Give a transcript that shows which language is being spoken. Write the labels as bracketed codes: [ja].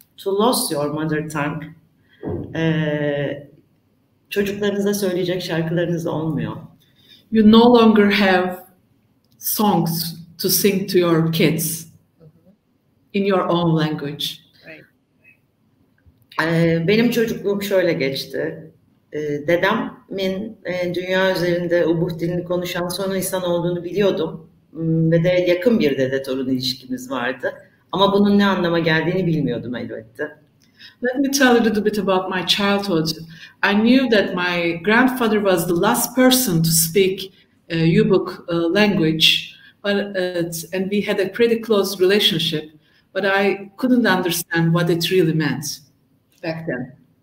[en] To lose your mother tongue, [tr] çocuklarınıza söyleyecek şarkılarınız olmuyor. [en] You no longer have songs to sing to your kids in your own language. [tr] Benim çocukluğum şöyle geçti. Dedemin dünya üzerinde Ubykh dilini konuşan son insan olduğunu biliyordum. Ve de yakın bir dede torun ilişkimiz vardı. Ama bunun ne anlama geldiğini bilmiyordum elbette. [en] Let me tell you a little bit about my childhood. I knew that my grandfather was the last person to speak Ubykh language. And we had a pretty close relationship. But I couldn't understand what it really meant back then.